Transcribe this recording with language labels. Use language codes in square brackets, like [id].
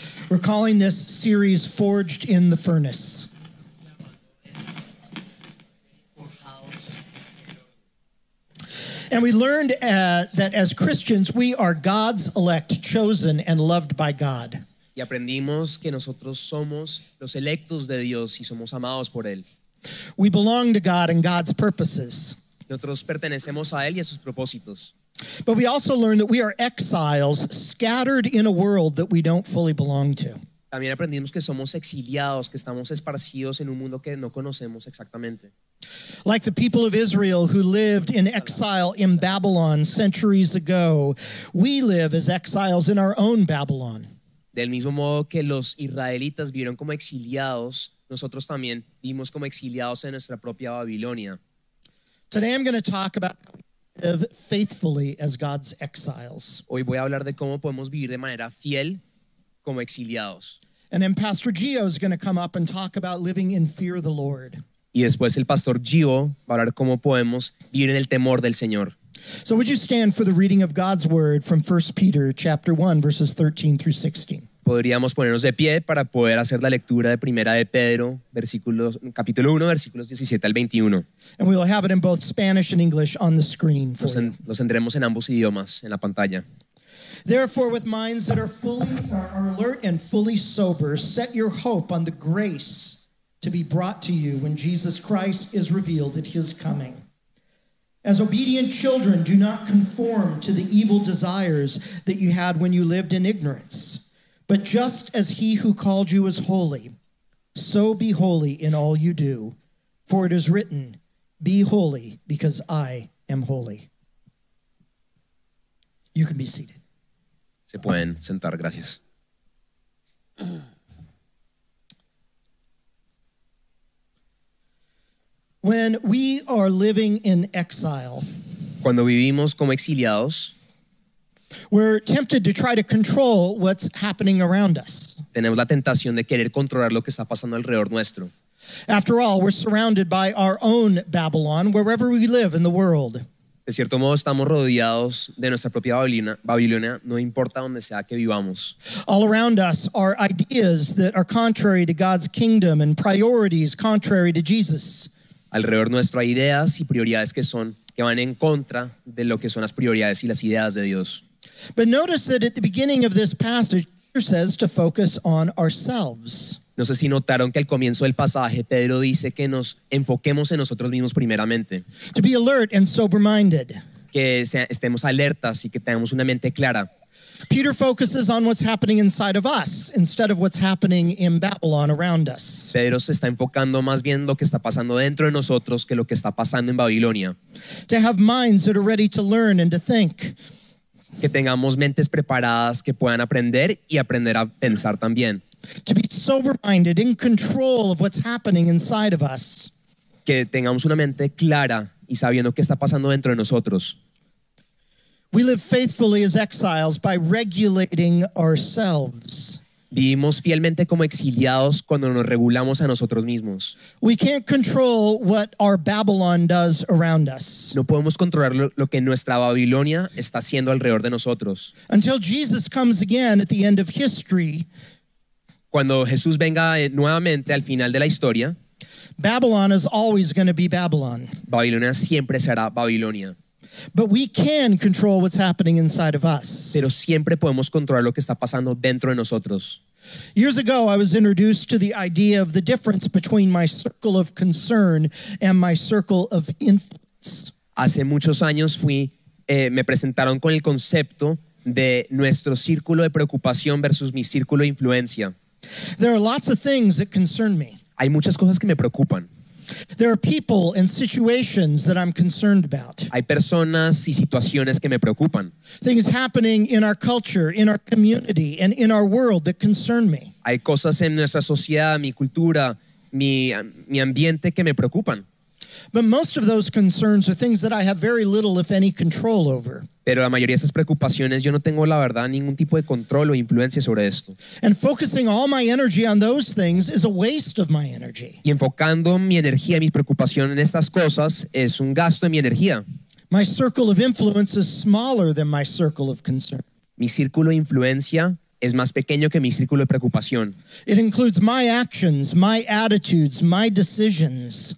[en] We're calling this series Forged in the Furnace. And we learned that as Christians, we are God's elect, chosen, and loved by God. [es] Y aprendimos que nosotros somos los electos de Dios y somos amados por Él. [en] We belong to God and God's purposes. [es] Nosotros pertenecemos a Él y a sus propósitos. [en] But we also learned that we are exiles scattered in a world that we don't fully belong to. [es] También aprendimos que somos exiliados, que estamos esparcidos en un mundo que no conocemos exactamente. [en] Like the people of Israel who lived in exile in Babylon centuries ago, we live as exiles in our own Babylon. [es] Del mismo modo que los israelitas vivieron como exiliados, nosotros también vivimos como exiliados en nuestra propia Babilonia. [en] Today I'm going to talk about how to live faithfully as God's exiles. [es] Hoy voy a hablar de cómo podemos vivir de manera fiel como exiliados. [en] And then Pastor Gio is going to come up and talk about living in fear of the Lord. [es] Y después el Pastor Gio va a hablar cómo podemos vivir en el temor del Señor. [en] So would you stand for the reading of God's word from 1 Peter chapter 1 verses 13 through 16? [es] Podríamos ponernos de pie para poder hacer la lectura de Primera de Pedro, capítulo 1, versículos 17 al 21. [en] And we will have it in both Spanish and English on the screen for you. [es] Los tendremos en ambos idiomas en la pantalla. [en] Therefore, with minds that are fully are alert and fully sober, set your hope on the grace to be brought to you when Jesus Christ is revealed at his coming. As obedient children, do not conform to the evil desires that you had when you lived in ignorance. But just as he who called you is holy, so be holy in all you do. For it is written, be holy because I am holy. You can be seated. [es] Se pueden sentar, gracias. [en] When we are living in exile, [es] cuando vivimos como exiliados, [en] we're tempted to try to control what's happening around us. [es] Tenemos la tentación de querer controlar lo que está pasando alrededor nuestro. [en] After all, we're surrounded by our own Babylon wherever we live in the world. [es] De cierto modo, estamos rodeados de nuestra propia Babilonia, no importa donde sea que vivamos. [en] All around us are ideas that are contrary to God's kingdom and priorities contrary to Jesus. [es] Alrededor nuestro hay ideas y prioridades que van en contra de lo que son las prioridades y las ideas de Dios. [en] But notice that at the beginning of this passage, Peter says to focus on ourselves. [es] No sé si notaron que al comienzo del pasaje, Pedro dice que nos enfoquemos en nosotros mismos primeramente. [en] To be alert and sober-minded. [es] Que estemos alertas y que tengamos una mente clara. [en] Peter focuses on what's happening inside of us instead of what's happening in Babylon around us. [es] Pedro se está enfocando más bien lo que está pasando dentro de nosotros que lo que está pasando en Babilonia. [en] To have minds that are ready to learn and to think. [es] Que tengamos mentes preparadas que puedan aprender y aprender a pensar también. [en] To be sober-minded, in control of what's happening inside of us. [es] Que tengamos una mente clara y sabiendo qué está pasando dentro de nosotros. [en] We live faithfully as exiles by regulating ourselves. [es] Vivimos fielmente como exiliados cuando nos regulamos a nosotros mismos. [en] We can't control what our Babylon does around us. [es] No podemos controlar lo que nuestra Babilonia está haciendo alrededor de nosotros. [en] Until Jesus comes again at the end of history, [es] cuando Jesús venga nuevamente al final de la historia, [en] Babylon is always going to be Babylon. [es] Babilonia siempre será Babilonia. [en] But we can control what's happening inside of us. [es] Pero siempre podemos controlar lo que está pasando dentro de nosotros. [en] Years ago, I was introduced to the idea of the difference between my circle of concern and my circle of influence. [es] Hace muchos años me presentaron con el concepto de nuestro círculo de preocupación versus mi círculo de influencia. [en] There are lots of things that concern me. [es] Hay muchas cosas que me preocupan. [en] There are people and situations that I'm concerned about. [es] Hay personas y situaciones que me preocupan. [en] Things happening in our culture, in our community, and in our world that concern me. [es] Hay cosas en nuestra sociedad, mi cultura, mi ambiente que me preocupan. [en] But most of those concerns are things that I have very little, if any, control over. [es] Pero la mayoría de esas preocupaciones yo no tengo, la verdad, ningún tipo de control o influencia sobre esto. [en] And focusing all my energy on those things is a waste of my energy. [es] Y enfocando mi energía y mis preocupaciones en estas cosas es un gasto de mi energía. [en] My circle of influence is smaller than my circle of concern. [es] Mi círculo de influencia es más pequeño que mi círculo de preocupación. [en] It includes my actions, my attitudes, my decisions.